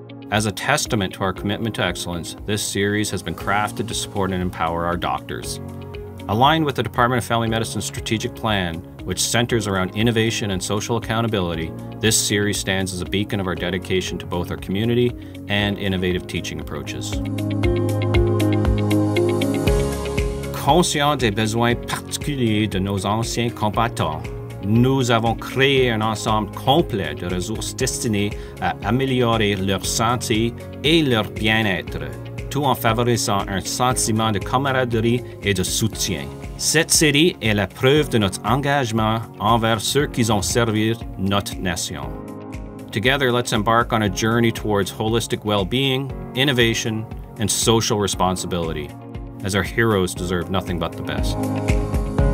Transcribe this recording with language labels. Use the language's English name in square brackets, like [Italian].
[English] As a testament to our commitment to excellence, this series has been crafted to support and empower our doctors. Aligned with the Department of Family Medicine's strategic plan, which centers around innovation and social accountability, this series stands as a beacon of our dedication to both our community and innovative teaching approaches. [French] Conscient des besoins particuliers de nos anciens combattants, nous avons créé un ensemble complet de ressources destinées à améliorer leur santé et leur bien-être, tout en favorisant un sentiment de camaraderie et de soutien. Cette série est la preuve de notre engagement envers ceux qui ont servi notre nation. [English] Together, let's embark on a journey towards holistic well-being, innovation, and social responsibility, as our heroes deserve nothing but the best.